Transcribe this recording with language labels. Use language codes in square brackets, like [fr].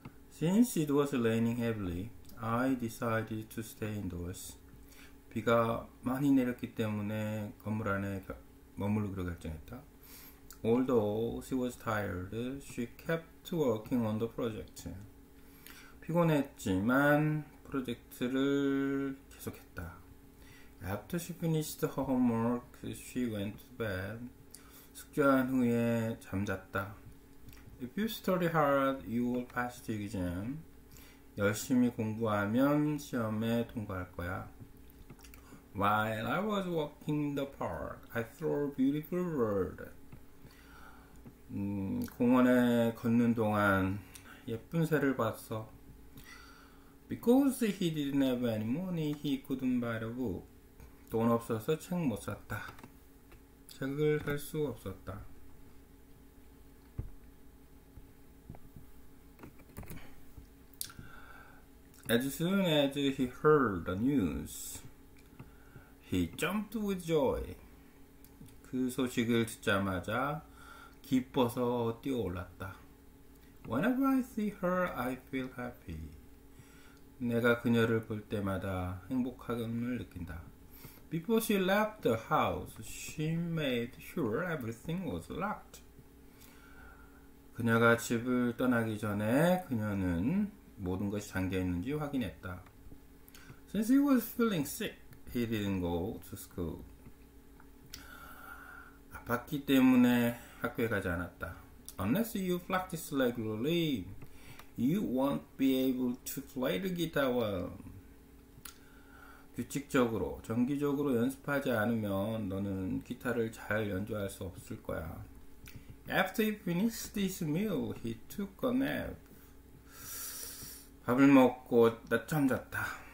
[en] since it was raining heavily, I decided to stay indoors. [ko] 비가 많이 내렸기 때문에 건물 안에 머무르기로 결정했다. [en] Although she was tired, she kept working on the project. [ko] 피곤했지만 프로젝트를 계속했다. [en] After she finished her homework, she went to bed. [ko] 숙제한 후에 잠잤다. [en] If you study hard, you will pass the exam. [ko] 열심히 공부하면 시험에 통과할 거야. [en] While I was walking the park, I saw a beautiful bird. [ko] 공원에 걷는 동안 예쁜 새를 봤어. [en] Because he didn't have any money, he couldn't buy a book. [ko] 돈 없어서 책 못 샀다. 책을 살 수 없었다. [en] As soon as he heard the news, he jumped with joy. [ko] 그 소식을 듣자마자 기뻐서 뛰어올랐다. [en] Whenever I see her, I feel happy. [ko] 내가 그녀를 볼 때마다 행복함을 느낀다. [en] Before she left the house, she made sure everything was locked. [ko] 그녀가 집을 떠나기 전에 그녀는 모든 것이 잠겨 있는지 확인했다. [en] Since he was feeling sick, he didn't go to school. [ko] 아팠기 때문에 학교에 가지 않았다. [en] Unless you practice regularly, you won't be able to play the guitar well. [ko] 규칙적으로, 정기적으로 연습하지 않으면 너는 기타를 잘 연주할 수 없을 거야. [en] After he finished his meal, he took a nap. [ko] 밥을 먹고 낮잠 잤다.